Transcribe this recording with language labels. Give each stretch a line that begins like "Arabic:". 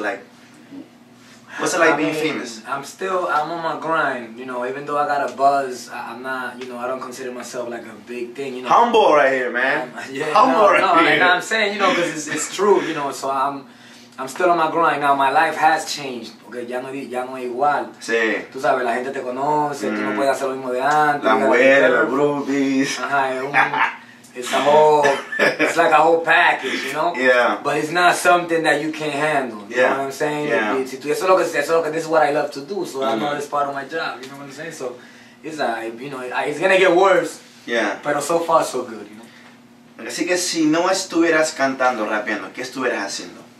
English: Like, what's it like being famous? I'm on my grind, you know, even though I got a buzz, I don't consider myself like a big thing, you know. Humble right here, man. Like I'm saying, you know, because it's true, you know, so I'm still on my grind. Now, my life has changed, okay,
Spanish: ya no es igual. Sí. Tú sabes, la gente te conoce, tú no puedes hacer lo mismo de antes. La mujer, los groupies.
English: Ajá, it's like a whole package, you know? Yeah. But it's not something that you can't handle. You yeah. know what I'm saying? Yeah.
Spanish: Eso es lo que,
English: this is what I love to do, so mm-hmm. I know it's part of my job, you know what I'm saying? So, it's like, you know, it's gonna get worse. Yeah. Pero so far, so good, you know?
Spanish: Así que si no estuvieras cantando, rapeando, ¿qué estuvieras haciendo?